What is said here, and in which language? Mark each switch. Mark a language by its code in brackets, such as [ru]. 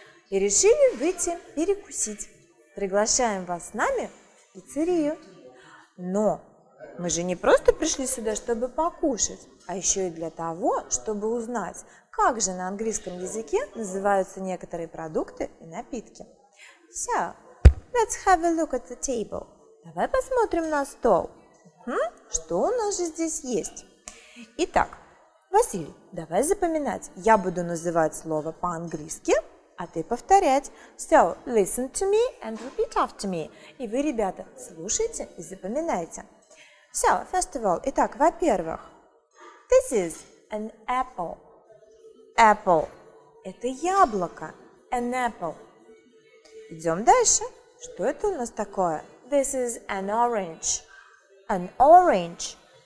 [ru] И решили выйти перекусить. Приглашаем вас с нами в пиццерию. Но мы же не просто пришли сюда, чтобы покушать, а еще и для того, чтобы узнать, как же на английском языке называются некоторые продукты и напитки. [en] So, let's have a look at the table. [ru] Давай посмотрим на стол. Что у нас же здесь есть? Итак, Василий, давай запоминать. Я буду называть слово по-английски, а ты повторять. [en] So, listen to me and repeat after me. [ru] И вы, ребята, слушайте и запоминайте. [en] So, first of all, [ru] итак, во-первых, [en] this is an apple. Apple. [ru] Это яблоко. [en] An apple. [ru] Идем дальше. Что это у нас такое? [en] This is an orange. An orange.